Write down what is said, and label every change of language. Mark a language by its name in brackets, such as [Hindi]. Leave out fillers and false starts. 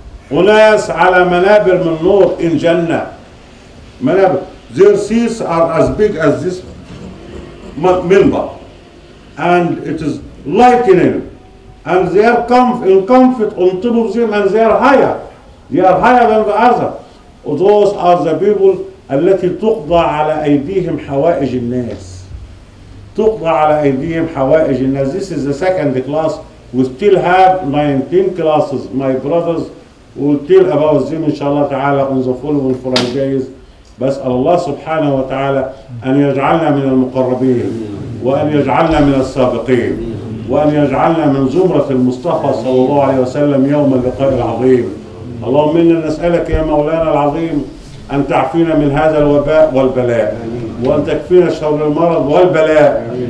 [Arabic] Unas ala manabir min noor in Jannah. Manabir. [English] Their seats are as big as this minbar. And it is lightning. And they are in comfort on top of them, and they are higher. They are higher than the other. Those are the people [Arabic] التي تقضى على أيديهم حوائج الناس. تقضى على أيديهم حوائج الناس. [English] This is the second class. We still have 19 classes, my brothers. We'll tell about them, inshallah ta'ala, on the following Fridays. [Arabic] بس الله سبحانه وتعالى أن يجعلنا من المقربين وأن يجعلنا من السابقين وأن يجعلنا من زمرة المصطفى صلى الله عليه وسلم يوم اللقاء العظيم. اللهم إنا نسألك يا مولانا العظيم أن تعفينا من هذا الوباء والبلاء وأن تكفينا شر المرض والبلاء.